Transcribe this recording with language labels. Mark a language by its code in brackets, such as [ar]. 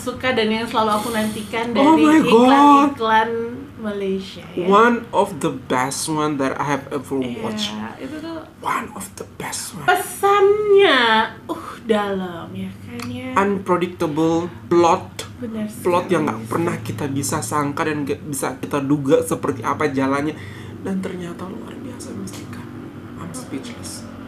[id] Dan yang selalu aku nantikan dari iklan-iklan Malaysia. Ya? [en] One of the best one that I have ever watched. [id] Itu tuh [en] one of the best one. [id] Pesannya, dalam ya kan ya. [en] Unpredictable plot. [id] Plot yang nggak pernah kita bisa sangka dan nggak bisa kita duga seperti apa jalannya. Dan ternyata luar biasa, Mistika. [en] I'm speechless.